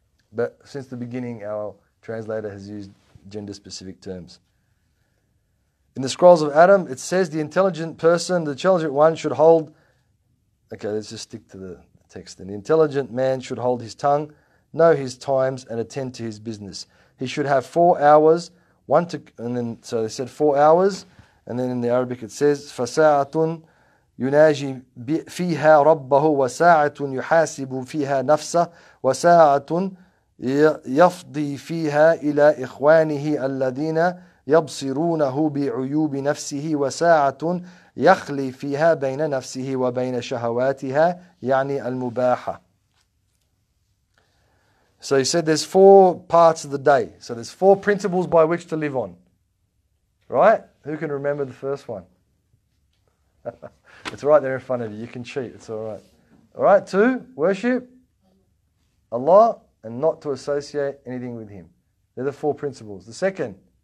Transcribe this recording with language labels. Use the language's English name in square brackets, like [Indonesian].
[English] But since the beginning, our translator has used gender-specific terms. In the scrolls of Adam, it says the intelligent person, the intelligent one should hold... Okay, let's just stick to the text. An intelligent man should hold his tongue, know his times, and attend to his business. He should have 4 hours, one to, and then, so they said 4 hours, and then in the Arabic it says, [Arabic] فَسَاعَةٌ يُنَاجِي فِيهَا رَبَّهُ وَسَاعَةٌ يُحَاسِبُ فِيهَا نَفْسَهُ وَسَاعَةٌ يَفْضِي فِيهَا إِلَىٰ إِخْوَانِهِ الَّذِينَ يَبْصِرُونَهُ بِعُيُوبِ نَفْسِهِ وَسَاعَةٌ يخلي فيها بين نفسه وبين شهواتها يعني المباحة. [English] So he said there's 4 parts of the day. So there's 4 principles by which to live on. Right? Who can remember the first one? It's right there in front of you. You can cheat. It's all right. All right, to worship Allah and not to associate anything with Him. They're the four principles. The second.